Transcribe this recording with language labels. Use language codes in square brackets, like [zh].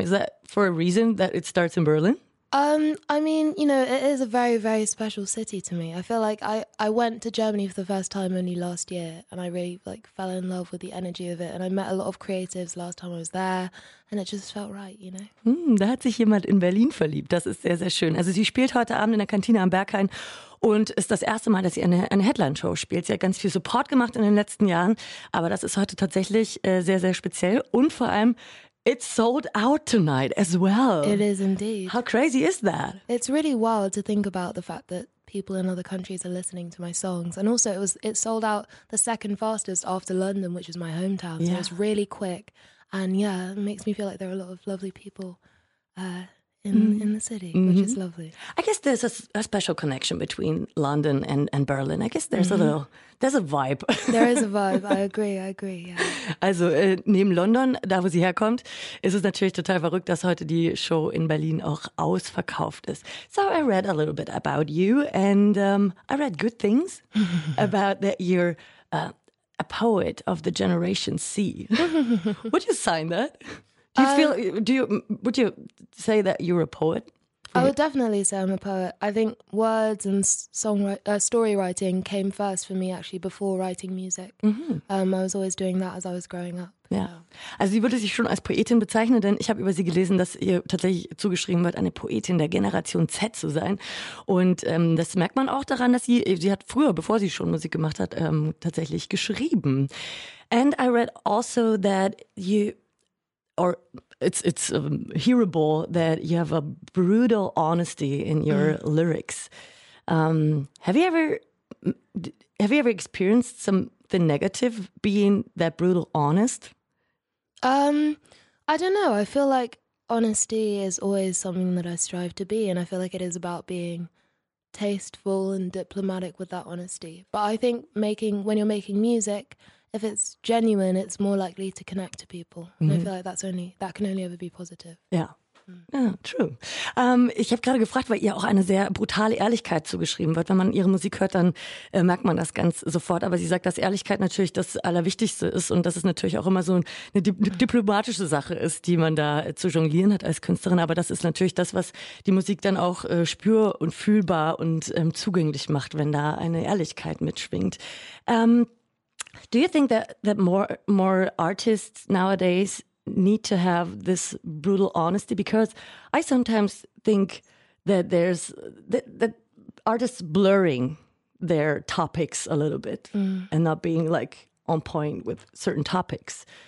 [en] Is that for a reason that it starts in Berlin? It is a very, very special city to me. I feel like I went to Germany for the first time only last year, and I really like fell in love with the energy of it. And I met a lot of creatives last time I was there, and it just felt right, you know. [de] Da hat sich jemand in Berlin verliebt. Das ist sehr, sehr schön. Also sie spielt heute Abend in der Kantine am Berghain. Und es ist das erste Mal, dass sie eine Headline-Show spielt. Sie hat ganz viel Support gemacht in den letzten Jahren, aber das ist heute tatsächlich sehr, sehr speziell. Und vor allem, [en] it's sold out tonight as well. It is indeed. How crazy is that? It's really wild to think about the fact that people in other countries are listening to my songs. And also, it sold out the second fastest after London, which is my hometown. So it's really quick. And yeah, it makes me feel like there are a lot of lovely people in the city, which is lovely. I guess there's a special connection between London and Berlin. I guess there's a vibe. There is a vibe. I agree, yeah. [de] Also neben London, da wo sie herkommt, ist es natürlich total verrückt, dass heute die Show in Berlin auch ausverkauft ist. [en] So I read a little bit about you and I read good things about that you're a poet of the Generation C. Would you sign that? Would you say that you're a poet? I would definitely say I'm a poet. I think words and story writing came first for me actually before writing music. I was always doing that as I was growing up. [de] Ja. Also sie würde sich schon als Poetin bezeichnen, denn ich habe über sie gelesen, dass ihr tatsächlich zugeschrieben wird, eine Poetin der Generation Z zu sein. Und das merkt man auch daran, dass sie hat früher, bevor sie schon Musik gemacht hat, tatsächlich geschrieben. [en] And I read also that it's hearable that you have a brutal honesty in your lyrics. Have you ever experienced something negative being that brutal honest? I don't know. I feel like honesty is always something that I strive to be, and I feel like it is about being tasteful and diplomatic with that honesty. But I think when you're making music, if it's genuine, it's more likely to connect to people. And I feel like that can only ever be positive. [de] Ja, ja, [en] true. [de] Ich habe gerade gefragt, weil ihr auch eine sehr brutale Ehrlichkeit zugeschrieben wird. Wenn man ihre Musik hört, dann merkt man das ganz sofort. Aber sie sagt, dass Ehrlichkeit natürlich das Allerwichtigste ist und dass es natürlich auch immer so eine diplomatische Sache ist, die man da zu jonglieren hat als Künstlerin. Aber das ist natürlich das, was die Musik dann auch spür- und fühlbar und zugänglich macht, wenn da eine Ehrlichkeit mitschwingt. [en] Do you think that more artists nowadays need to have this brutal honesty? Because I sometimes think that there's that artists blurring their topics a little bit and not being like on point with certain topics.